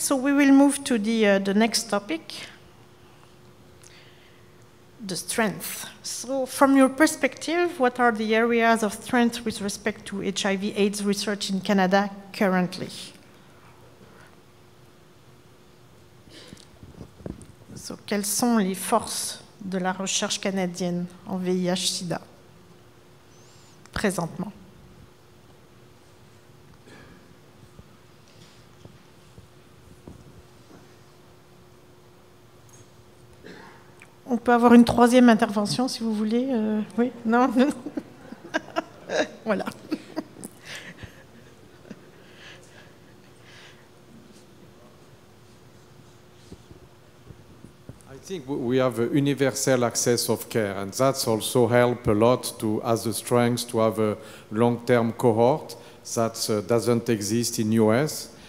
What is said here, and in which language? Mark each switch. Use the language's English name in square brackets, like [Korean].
[English] So we will move to the next topic, the strength. So from your perspective, what are the areas of strength with respect to HIV/AIDS research in Canada currently? [French] So quelles sont les forces de la recherche canadienne en VIH/SIDA présentement? On peut avoir une troisième intervention si vous voulez. Oui, non. Voilà. [English] I think we have universal access of care, and that's also help a lot to as a strength to have a long-term cohort that doesn't exist in US.